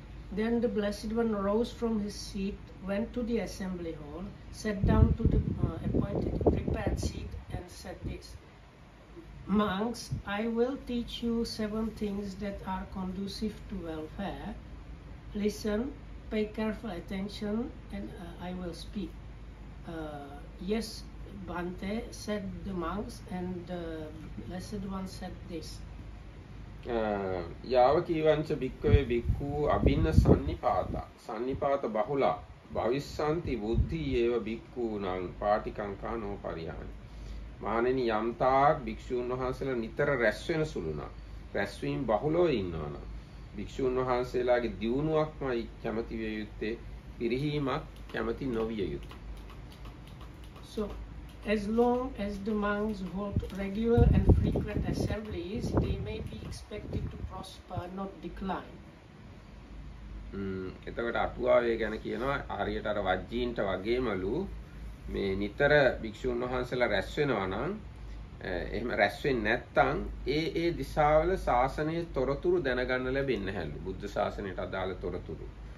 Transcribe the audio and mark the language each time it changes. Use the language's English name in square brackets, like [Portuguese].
[English] Then the blessed one rose from his seat, went to the assembly hall, sat down to the appointed prepared seat and said this: Monks, I will teach you seven things that are conducive to welfare. Listen, pay careful attention, and I will speak. Yes, Bhante, said the monks, and the blessed one said this. [Pali] යාව කීවංච භික්කවේ භික්කූ අභින්න සන්නිපාත සන්නිපාත බහුලා භවිස්සන්ති බුද්ධි ඒව භික්කූ නං පාටිකංකා නෝ පරිහානි. [Sinhala] මානෙනි යම්තාක් භික්‍ෂූන් වහන්සේලා නිතර රැස්වෙන සුළුනා රැස්වීම් බහුලෝ ඉන්නවන භික්‍ෂූන් වහන්සේලාගේ දියුණුවක්ම කැමති විය යුත්තේ පිරිහීමක් කැමති නොවිය යුතු. [English] As long as the monks hold regular and frequent assemblies, they may be expected to prosper, not decline. [Sinhala] එතකොට අටුවාවේ ගැන කියනවා හරියට අර වජ්ජීන්ට වගේමලු මේ නිතර භික්ෂුන් වහන්සේලා රැස් වෙනවා නම් එහෙම රැස් වෙන්නේ නැත්නම් ඒ දිශාවල ශාසනයේ තොරතුරු දැනගන්න ලැබෙන්නේ නැහැලු බුද්ධ ශාසනයට අදාළ තොරතුරු.